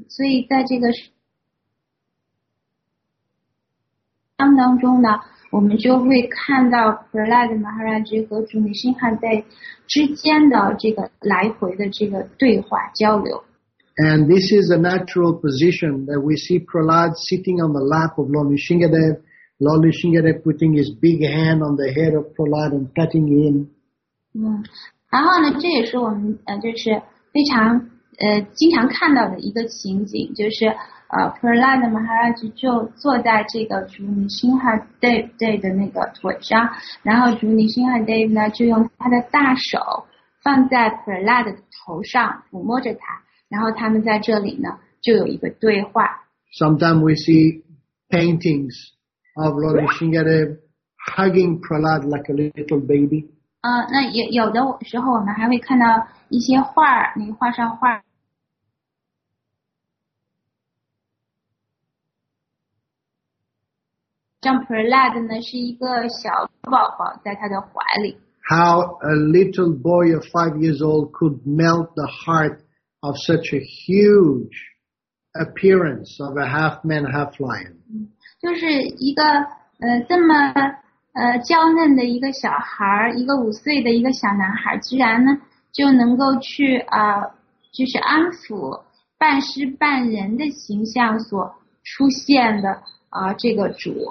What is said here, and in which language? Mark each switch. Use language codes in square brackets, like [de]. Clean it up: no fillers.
[zh] 所以在这个当中呢，我们就会看到 Prahlad Maharaj 和主女星汉在之间的这个来回的这个对话交流。 [en] And this is a natural position that we see Prahlad sitting on the lap of Lord Nrisingadev, Lord Nrisingadev putting his big hand on the head of Prahlad and patting him. [zh] 然后呢，这也是我们就是非常经常看到的一个情景，就是。 Prahlad Maharaj 就坐在这个主女星哈 Dev 的那个腿上，然后主女星哈 Dev 呢就用他的大手放在 Prahlad 的头上抚摸着他，然后他们在这里呢就有一个对话。 [en] Sometimes we see paintings of Lord Nrisingadev hugging Prahlad like a little baby. [zh] 那有的时候我们还会看到一些画，那画上画。像 Prahlad 呢是一个小宝宝在他的怀里。 [en] How a little boy of 5 years old could melt the heart of such a huge appearance of a half man, half lion. [zh] 就是一个这么娇嫩的一个小孩，一个5岁的一个小男孩，居然呢就能够去啊、就是安抚半狮半人的形象所出现的啊、这个主。